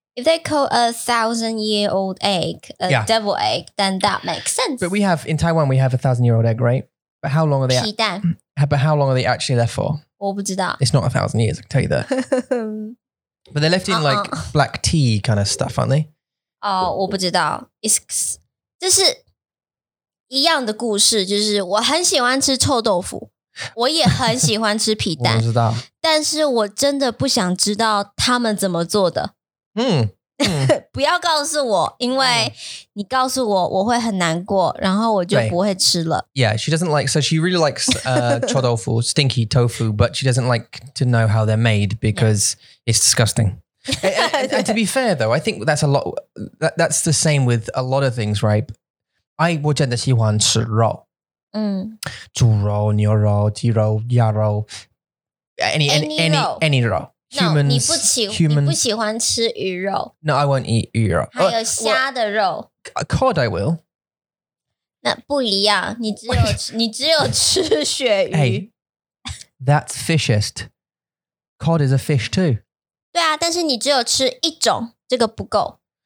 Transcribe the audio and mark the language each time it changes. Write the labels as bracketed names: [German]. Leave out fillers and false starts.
[English] If they call a thousand-year-old egg devil egg, then that makes sense. But in Taiwan, we have a thousand-year-old egg, right? But how long are they? [Chinese] 皮蛋. [English] But how long are they actually left for? [Chinese] 我不知道. [English] It's not a thousand years, I can tell you that. But they're left in like black tea kind of stuff, aren't they? [Chinese] Oh, 我不知道. [English] It's... [Chinese] 就是一样的故事，就是我很喜欢吃臭豆腐，我也很喜欢吃皮蛋，我知道，但是我真的不想知道他们怎么做的。不要告诉我，因为你告诉我，我会很难过，然后我就不会吃了。 [English] Yeah, she doesn't like, so she really likes臭豆腐, stinky tofu, but she doesn't like to know how they're made because it's disgusting. and to be fair, though, I think that's a lot. That's the same with a lot of things, right? [Chinese] 我真的喜欢吃肉，嗯，猪肉、牛肉、鸡肉、鸭肉 [English] any [Chinese] 肉 [English] humans, no, [Chinese] 你不喜欢吃鱼肉 [English] No, I won't eat 鱼肉 [Chinese] 还有虾的肉 [English] Cod, I will [Chinese] 那不一样你只有吃鳕鱼 [English] Hey, that's fishest Cod is a fish too [Chinese] 对啊，但是你只有吃一种，这个不够。